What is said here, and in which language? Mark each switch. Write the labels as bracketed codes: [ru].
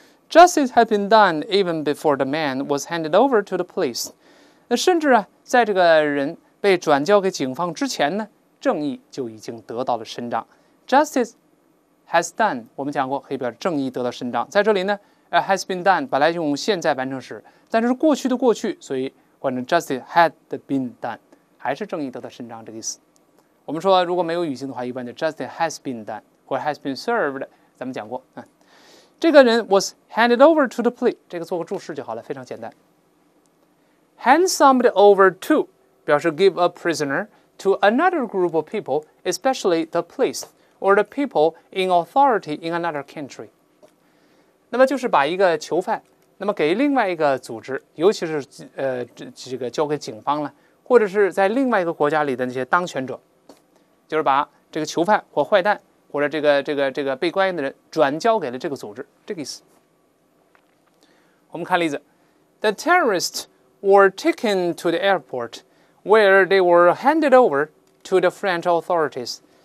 [en] Justice had been done even before the man was handed over to the police。 [zh] 甚至啊，在这个人被转交给警方之前呢，正义就已经得到了伸张。 [en] Justice has done， [zh] 我们讲过，可以表示正义得到伸张。在这里呢， [en] has been done， [zh] 本来用现在完成时，但是过去的过去，所以换成 [en] justice had been done， [zh] 还是正义得到伸张这个意思。我们说如果没有语境的话，一般就 [en] justice has been done [zh] 或 [en] has been served， [zh] 咱们讲过、这个人 [en] was handed over to the police， [zh] 这个做个注释就好了，非常简单。 [en] Hand somebody over to [zh] 表示 [en] give a prisoner to another group of people， especially the police or the people in authority in another country。 [zh] 那么就是把一个囚犯那么给另外一个组织，尤其是这个交给警方了，或者是在另外一个国家里的那些当权者，就是把这个囚犯或坏蛋或者这个被关押的人转交给了这个组织，这个意思。我们看例子， [en] The terrorists were taken to the airport where they were handed over to the French authorities.